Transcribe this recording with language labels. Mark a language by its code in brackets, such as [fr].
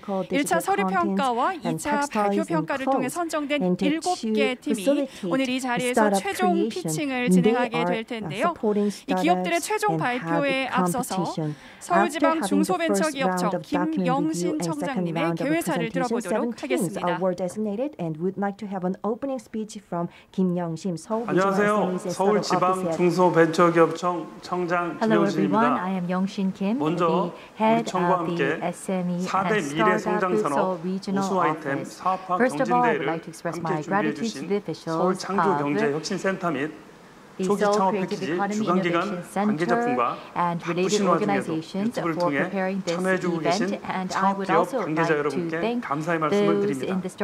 [ko] 1차 서류 평가와 2차 발표 평가를 통해 선정된 7개 팀이 오늘 이 자리에서 최종 피칭을 진행하게 될 텐데요. 이 기업들의 최종 발표에 앞서서 서울지방중소벤처기업청 김영신 청장님의 개회사를 들어보도록 하겠습니다. [en] Would like to have an opening speech from 김영신, [ko] 안녕하세요. 서울지방중소벤처기업청 청장 김영신입니다. [en] I am Youngshin Kim, [ko] 먼저 청과 함께 [en] SME [ko] 4대 미래성장산업 우수 아이템 사업화 경진대회를 함께 준비해 주신 서울창조경제혁신센터 및 초기 창업 패키지 주간 기간 관계자품과 각 부신원에서 유튜브를 통해 참여해 주고 계신 창업기업 관계자 여러분께 감사의 말씀을 드립니다.